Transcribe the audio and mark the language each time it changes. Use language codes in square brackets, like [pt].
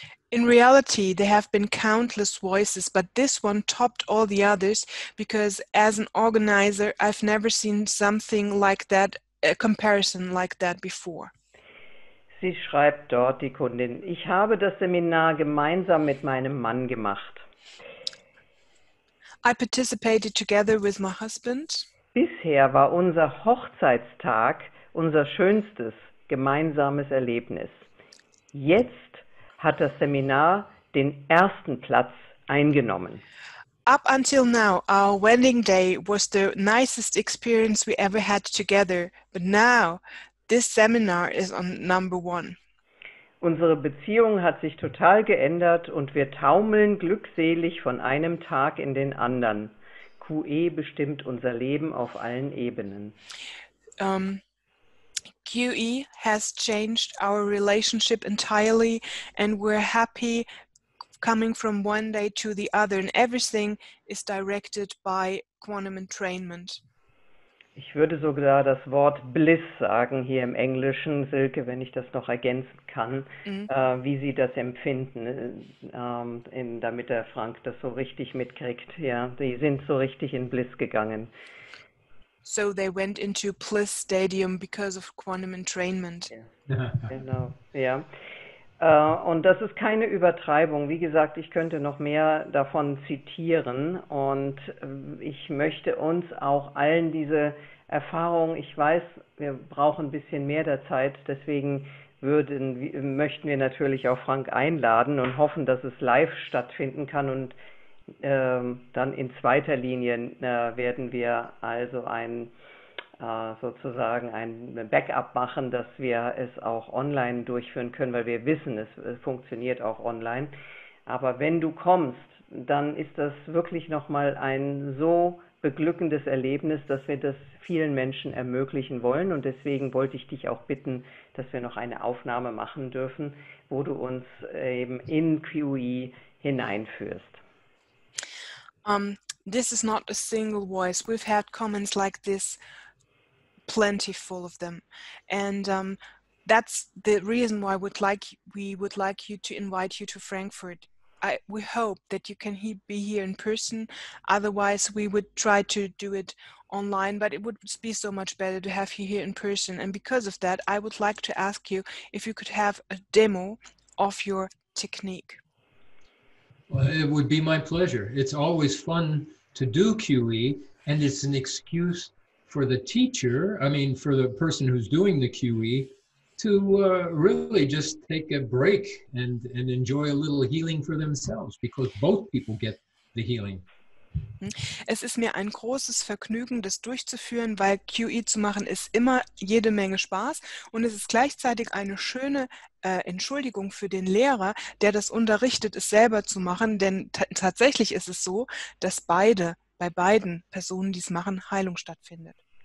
[en] In reality, there have been countless voices, but this one topped all the others, because as an organizer, I've never seen something like that, a comparison like that before. [de] Sie schreibt dort, die Kundin, ich habe das Seminar gemeinsam mit meinem Mann gemacht. [en] I participated together with my husband. [de] Bisher war unser Hochzeitstag unser schönstes gemeinsames Erlebnis. Jetzt hat das Seminar den ersten Platz eingenommen. [en] Up until now, our wedding day was the nicest experience we ever had together. But now, this seminar is on number one. [de] Unsere Beziehung hat sich total geändert, und wir taumeln glückselig von einem Tag in den anderen. QE bestimmt unser Leben auf allen Ebenen. [en] QE has changed our relationship entirely, and we're happy coming from one day to the other, and everything is directed by quantum entrainment. [de] Ich würde sogar das Wort Bliss sagen hier im Englischen, Silke, wenn ich das noch ergänzen kann, wie Sie das empfinden, damit der Frank das so richtig mitkriegt. Ja, die sind so richtig in Bliss gegangen. [en] So they went into Bliss Stadium because of quantum entrainment. [de] Ja. Genau, ja. Und das ist keine Übertreibung. Wie gesagt, ich könnte noch mehr davon zitieren, und ich möchte uns auch allen diese Erfahrungen, ich weiß, wir brauchen ein bisschen mehr der Zeit, deswegen möchten wir natürlich auch Frank einladen und hoffen, dass es live stattfinden kann, und dann in zweiter Linie werden wir also ein Backup machen, dass wir es auch online durchführen können, weil wir wissen, es funktioniert auch online. Aber wenn du kommst, dann ist das wirklich nochmal ein so beglückendes Erlebnis, dass wir das vielen Menschen ermöglichen wollen. Und deswegen wollte ich dich auch bitten, dass wir noch eine Aufnahme machen dürfen, wo du uns eben in QE hineinführst. [en] This is not a single voice. We've had comments like this, plentiful of them, and that's the reason why we would like you to invite you to Frankfurt. We hope that you can be here in person, otherwise we would try to do it online, but it would be so much better to have you here in person. And because of that, I would like to ask you if you could have a demo of your technique. Well, it would be my pleasure. It's always fun to do QE, and it's an excuse for the teacher, I mean, for the person who's doing the QE, to really just take a break and enjoy a little healing for themselves, because both people get the healing. [de] Es ist mir ein großes Vergnügen, das durchzuführen, weil QE zu machen ist immer jede Menge Spaß und es ist gleichzeitig eine schöne Entschuldigung für den Lehrer, der das unterrichtet, es selber zu machen, denn tatsächlich ist es so, dass bei beiden Personen, die es machen, Heilung stattfindet.